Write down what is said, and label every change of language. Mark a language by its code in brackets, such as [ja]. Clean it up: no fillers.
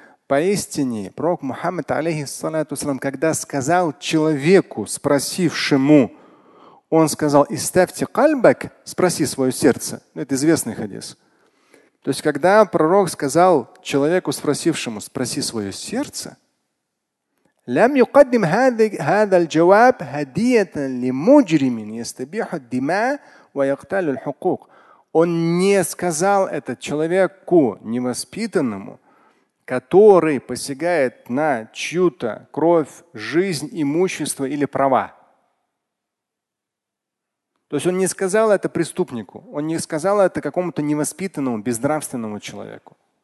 [ru] Поистине, пророк Мухаммад, السلام, когда сказал человеку, спросившему, он сказал, [ar] истафти кальбак, [ru] спроси свое сердце. Это известный хадис. То есть, когда пророк сказал человеку, спросившему, спроси свое сердце, [ar] لم يقدم هذا الجواب هدية لمجرم يستبيح الدماء ويقتل الحقوق. [ru] Он не сказал это человеку невоспитанному, который посягает на чью-то кровь, жизнь, имущество или права. То есть он не сказал это преступнику, он не сказал это какому-то невоспитанному, безнравственному человеку.